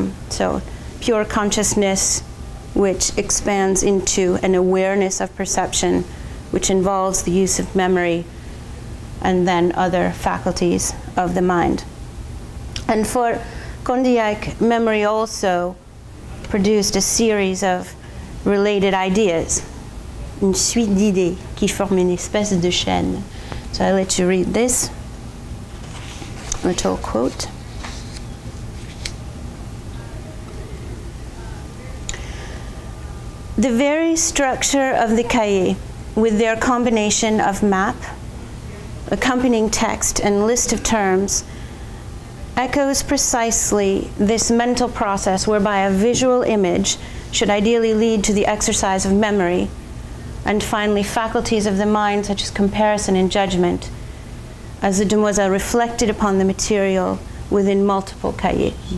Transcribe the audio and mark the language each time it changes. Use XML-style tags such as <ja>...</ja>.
<en>So pure consciousness, which expands into an awareness of perception, which involves the use of memory and then other faculties of the mind. And for Condillac, memory also produced a series of related ideas,</en> <fr>une suite d'idées qui forme une espèce de chaîne.</fr> <en>So I let you read this little quote. The very structure of the Cahiers, with their combination of map, accompanying text, and list of terms, echoes precisely this mental process whereby a visual image should ideally lead to the exercise of memory, and finally faculties of the mind such as comparison and judgment, as the demoiselle reflected upon the material within multiple Cahiers.</en>